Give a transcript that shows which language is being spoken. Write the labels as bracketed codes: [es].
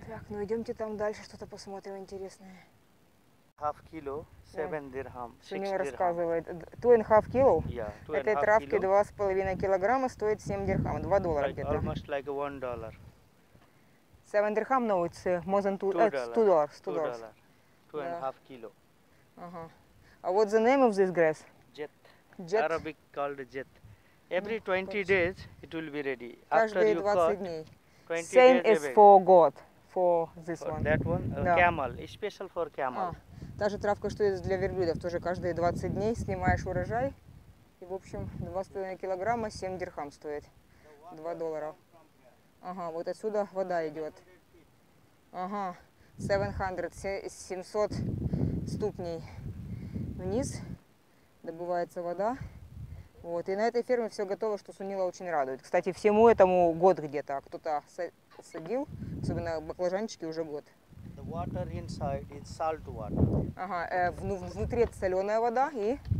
[ru] Ну идемте там дальше, что-то посмотрим интересное. [en] Half kilo, 7 dirham, 6 dirham. [ru] Что рассказывает? 2.5 kilo? [en] Yeah, [ru] этой травки 2,5 килограмма стоит 7 дирхам, 2 доллара [en] like, [ru] где-то. [en] Almost like 1 dollar. 7 dirham, no, it's more than 2 dollars. 2 dollars. 2 dollars. 2.5 kilo. Ага. А what's the name of this grass? Jet. Arabic called jet. Every 20 days it will be ready. [ru] Каждые 20 дней. [en] Same is for goat, for this one. That one, да. Camel, special for camel. А, [ru] та же травка, что и для верблюдов, тоже каждые 20 дней снимаешь урожай. И в общем, 2,5 килограмма, 7 дирхам стоит, 2 доллара. Ага, вот отсюда вода идет. Ага, 700 ступней вниз добывается вода. Вот, и на этой ферме все готово, что Сунила очень радует. Кстати, всему этому год где-то, кто-то садил, особенно баклажанчики, уже год. [en] The water inside is salt water. [ru] Ага, внутри это соленая вода и...